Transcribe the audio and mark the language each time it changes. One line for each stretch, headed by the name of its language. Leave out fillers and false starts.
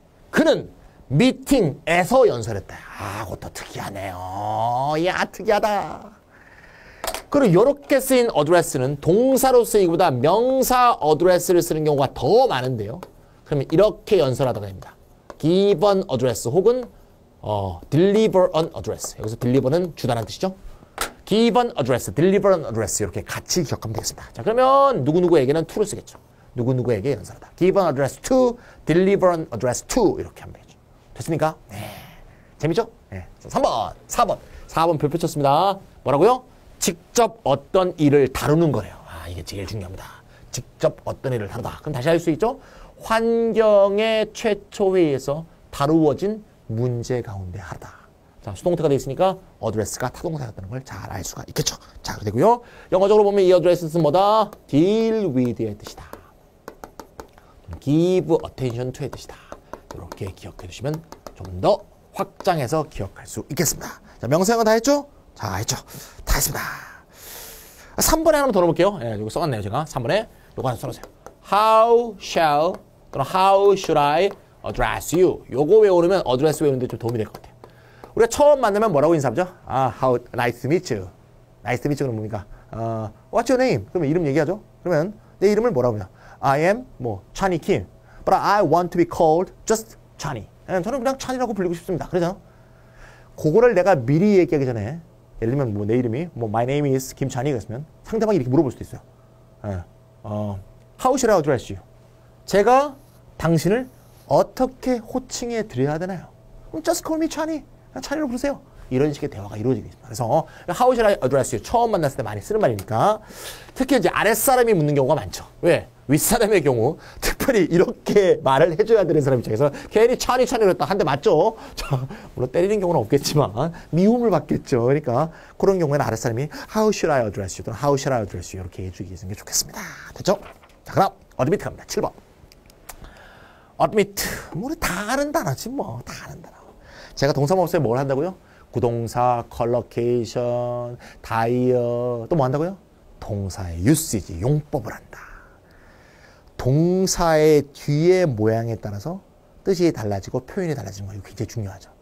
Korean: 그는 미팅에서 연설했다. 아, 그것도 특이하네요. 이야, 특이하다. 그리고 이렇게 쓰인 어드레스는 동사로 쓰이기보다 명사 어드레스를 쓰는 경우가 더 많은데요. 그러면 이렇게 연설하다가 됩니다.
English: Give an address 혹은 deliver an address.
Korean: 여기서 deliver는 주다라는 뜻이죠.
English: Give an address, deliver an address
Korean: 이렇게 같이 기억하면 되겠습니다. 자, 그러면 누구누구에게는 to를 쓰겠죠. 누구누구에게 연설하다.
English: Give an address to, deliver an address to
Korean: 이렇게 하면 되겠죠. 됐습니까? 네. 재밌죠? 네. 3번, 4번. 4번 별표 쳤습니다. 뭐라고요? 직접 어떤 일을 다루는 거래요. 아, 이게 제일 중요합니다. 직접 어떤 일을 다루다. 그럼 다시 할 수 있죠? 환경의 최초 회의에서 다루어진 문제 가운데 하다. 자, 수동태가 되어 있으니까 어드레스가 타동사였다는 걸 잘 알 수가 있겠죠. 자, 그리고요. 영어적으로 보면 이 어드레스는 뭐다? deal with의 뜻이다.
English: give attention to의
Korean: 뜻이다. 이렇게 기억해 주시면 좀 더 확장해서 기억할 수 있겠습니다. 자, 명사형은 다 했죠? 자, 했죠. 다 했습니다. 3번에 하나만 더 넣어볼게요. 예, 이거 써놨네요, 제가. 3번에. 요거 하나 써놓으세요.
English: How shall,
Korean: 또는
English: How should I address you?
Korean: 요거 외우면 address 외우는데 좀 도움이 될 것 같아요. 우리가 처음 만나면 뭐라고 인사하죠?
English: 아, how, nice to meet you. Nice to meet you는
Korean: 뭡니까?
English: What's your name?
Korean: 그러면 이름 얘기하죠? 그러면 내 이름을 뭐라고 하냐?
English: I am, 뭐, Chani Kim. But I want to be called just Chani.
Korean: 예, 저는 그냥 Chani라고 불리고 싶습니다. 그러죠? 그거를 내가 미리 얘기하기 전에 예를 들면 뭐 내 이름이 뭐
English: My name is
Korean: 김찬이 그랬으면 상대방이 이렇게 물어볼 수도 있어요.
English: How should I address you?
Korean: 제가 당신을 어떻게 호칭해 드려야 되나요?
English: Just call me 찬이.
Korean: 찬이로 부르세요. 이런 식의 대화가 이루어지게 됩니다. 그래서
English: How should I address you?
Korean: 처음 만났을 때 많이 쓰는 말이니까 특히 이제 아랫사람이 묻는 경우가 많죠. 왜? 윗사람의 경우 특별히 이렇게 말을 해줘야 되는 사람 입장에서 괜히 찬이 찬이로 했다 한대 맞죠? 자, 물론 때리는 경우는 없겠지만 미움을 받겠죠. 그러니까 그런 경우에는 아랫사람이
English: How should I address you?
Korean: 또는
English: How should I address you?
Korean: 이렇게 해주시는 게 좋겠습니다. 됐죠? 자, 그럼 admit 갑니다. 7번 admit 뭐 다른 단어지 뭐 다른 단어. 제가 동사 없을 때 뭘 한다고요? 구동사, 컬러케이션, 다이어 또 뭐 한다고요? 동사의 유시지, 용법을 한다. 동사의 뒤에 모양에 따라서 뜻이 달라지고 표현이 달라지는 거 이거 굉장히 중요하죠.